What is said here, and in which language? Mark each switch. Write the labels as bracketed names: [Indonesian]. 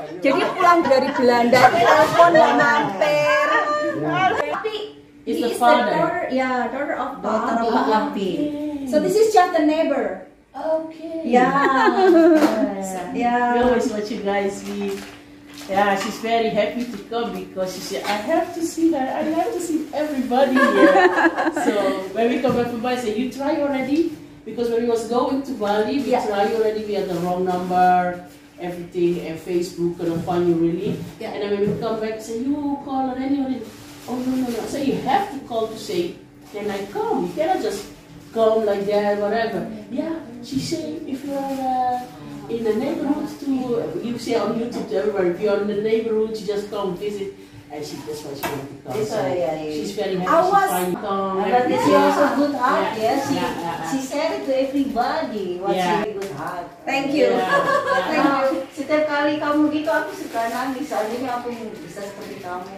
[Indonesian] Jadi pulang dari Belanda telepon lah mampir. Tapi [English] is the father. Yeah, daughter of daughter of Lampi. So this is just the neighbor. Okay. Yeah. Yeah. We always watch you guys. We yeah, she's very happy to come because she said, I have to see her. I have to see everybody here. So when we come back from Bali, say you try already because when we was going to Bali, we try already. We had the wrong number, everything, and Facebook couldn't find you really. Yeah. And then when we come back, say you call or anyone. Oh no no no. So you have to call to say, can I come? You cannot just come like that, whatever. Yeah. She said, if you are in the neighborhood, to you say on YouTube to everybody, if you are in the neighborhood, you just come visit. And she just wants you to come. So she's very happy. I was. She's fine. Come, but this is also good heart. Yeah. Yeah. She said it to everybody. What's really good heart. Thank you. Thank you. [Indonesian] Setiap kali kamu gitu, aku suka nangis. Soalnya aku bisa seperti kamu